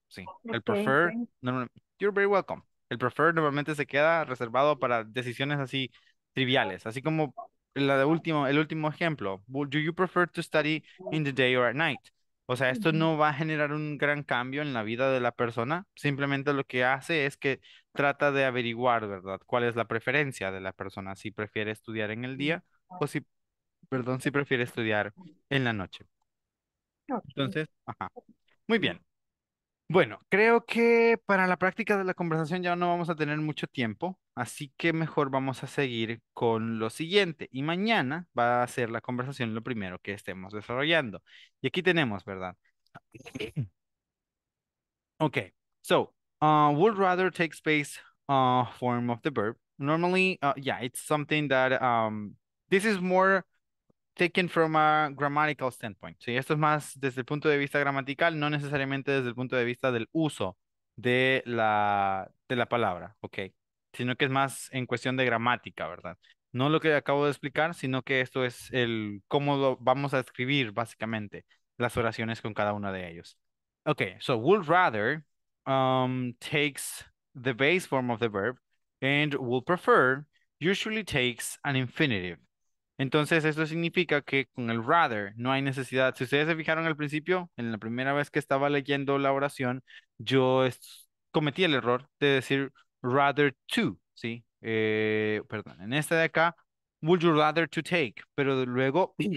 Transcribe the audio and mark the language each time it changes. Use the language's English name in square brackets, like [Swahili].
[Spanish] Sí, el prefer, [English] you're very welcome. [Spanish] El prefer normalmente se queda reservado para decisiones así triviales, así como el último ejemplo. [English] Do you prefer to study in the day or at night? [Spanish] O sea, esto no va a generar un gran cambio en la vida de la persona. Simplemente lo que hace es que trata de averiguar, ¿verdad? ¿Cuál es la preferencia de la persona? Si prefiere estudiar en el día o si prefiere estudiar en la noche. Entonces, ajá. Muy bien. Bueno, creo que para la práctica de la conversación ya no vamos a tener mucho tiempo. Así que mejor vamos a seguir con lo siguiente. Y mañana va a ser la conversación lo primero que estemos desarrollando. Y aquí tenemos, ¿verdad? [English] Okay, so, would rather take space form of the verb. Normally, it's something that, this is more taken from a grammatical standpoint. [Spanish] Sí, esto es más desde el punto de vista gramatical, no necesariamente desde el punto de vista del uso de la palabra, okay. Sino que es más en cuestión de gramática, ¿verdad? No lo que acabo de explicar, sino que esto es el cómo lo vamos a escribir, básicamente, las oraciones con cada uno de ellos. [English] Okay, so would rather takes the base form of the verb, and would prefer usually takes an infinitive. [Spanish] Entonces, esto significa que con el rather no hay necesidad. Si ustedes se fijaron al principio, en la primera vez que estaba leyendo la oración, yo cometí el error de decir rather to, ¿sí? Perdón, en esta de acá, [English] would you rather to take, [Spanish] pero luego...